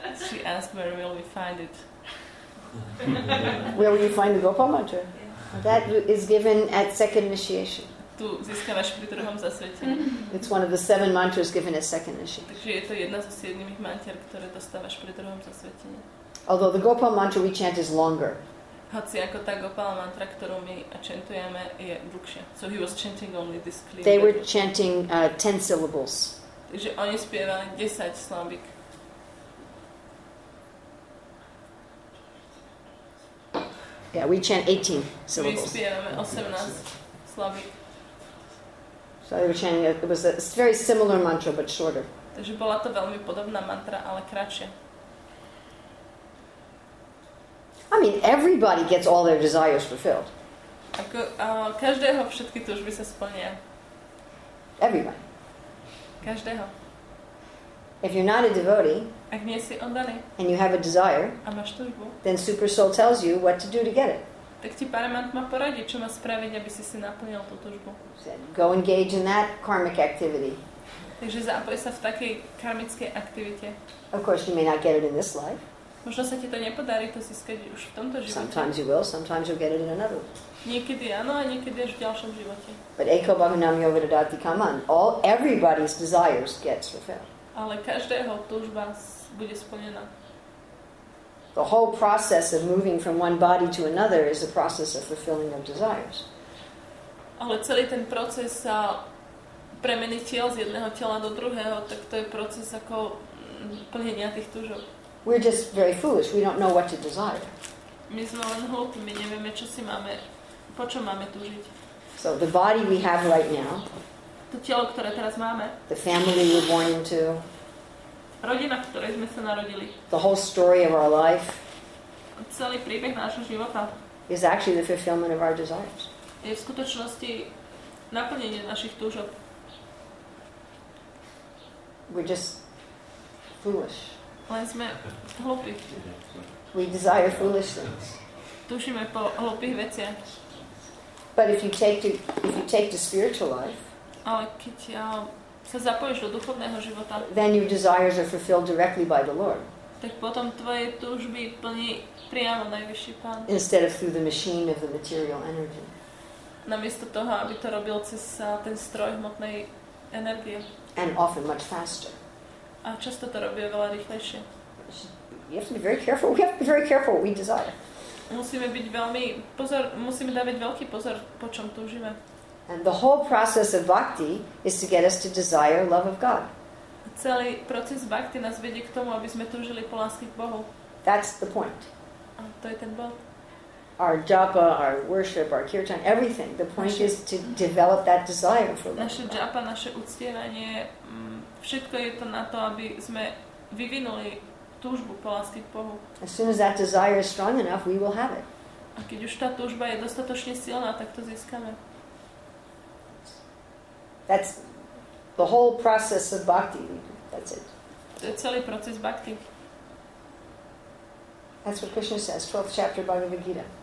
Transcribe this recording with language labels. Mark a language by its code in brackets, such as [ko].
[en] She asked where will we find it. Where will you find the Gopal mantra? That is given at second initiation. [sk] Tu získavaš pri druhom zasvetení. [en] It's one of the seven mantras given at second initiation. [sk] Takže je to jedna zo siedmých mantier, ktoré dostávaš pri druhom zasvetení. [en] Although the Gopal mantra we chant is longer. [sk] Hoci ako tá Gopal mantra, ktorú my chantujeme, je dlhšia. [en] So he was chanting only this clear. They were chanting 10 syllables. [sk] Takže oni spievali 10 slambik. [en] Yeah, we chant 18 syllables. We chant 18. So we chanting it was a very similar mantra but shorter. [sk] Takže bola to veľmi podobná mantra, ale kratšia. [en] I mean, everybody gets all their desires fulfilled. [sk] Ako každého všetky túžby sa splnia. [en] Everybody. [sk] Každého. [en] If you're not a devotee, [sk] ak nie si oddaný, [en] and you have a desire, [sk] a máš túžbu, [en] then Super Soul tells you what to do to get it. [sk] Tak ti Paramatma poradí, čo má spraviť, aby si si naplnil tú túžbu. [en] Go engage in that karmic activity. [sk] Takže zapoj sa v takej karmickej aktivite. [en] Of course, you may not get it in this life. [sk] Možno sa ti to nepodarí to získať už v tomto živote. [en] Sometimes you will, sometimes you'll get it in another. [sk] Niekedy áno, a niekedy až v ďalšom živote. [en] But [sa] Eko Bhavanam Yovedadati Kaman, [en] all everybody's desires gets fulfilled. [sk] Ale každého túžba bude splnená. [en] The whole process of moving from one body to another is a process of fulfilling of desires. [sk] Ale celý ten proces sa premeny tiel z jedného tela do druhého, tak to je proces ako plnenia tých túžob. [en] We're just very foolish. We don't know what to desire. [sk] My sme len hlúpi, my nevieme, čo si máme, po čom máme túžiť. [en] So the body we have right now, [sk] to telo, ktoré teraz máme. [en] The family we were born into. [sk] Rodina, v ktorej sme sa narodili. [en] The whole story of our life. [sk] Celý príbeh nášho života. [en] Is actually the fulfillment of our desires. [sk] Je v skutočnosti naplnenie našich túžob. [en] We're just foolish. [sk] Len sme hlúpi. [en] We desire foolish things. [sk] Túžime po hlúpych veciach. [en] But if you take the spiritual life, [sk] ale keď sa zapojíš do duchovného života, [en] then your desires are fulfilled directly by the Lord. [sk] Tak potom tvoje túžby plní priamo najvyšší pán. [en] Instead of through the machine of the material energy. [sk] Namiesto toho, aby to robil cez ten stroj hmotnej energie. [en] And often much faster. [sk] A často to robí veľa rýchlejšie. [en] We have to be very careful what we desire. [sk] Musíme byť veľmi pozor, musíme dávať veľký pozor, po čom túžime. [en] And the whole process of bhakti is to get us to desire love of God. [sk] Celý proces bhakti nás vedie k tomu, aby sme túžili po láske k Bohu. [en] That's the point. [sk] A to je ten bod. [en] our japa, our worship, our kirtan, everything. The point is to develop that desire for love. [sk] Naše japa, naše uctievanie, všetko je to na to, aby sme vyvinuli túžbu po láske k Bohu. [en] As soon as that desire is strong enough, we will have it. [sk] A keď už tá túžba je dostatočne silná, tak to získame. [en] That's the whole process of bhakti. That's it. [sk] To je celý proces bhakti. [en] That's what Krishna says, 12th chapter Bhagavad Gita.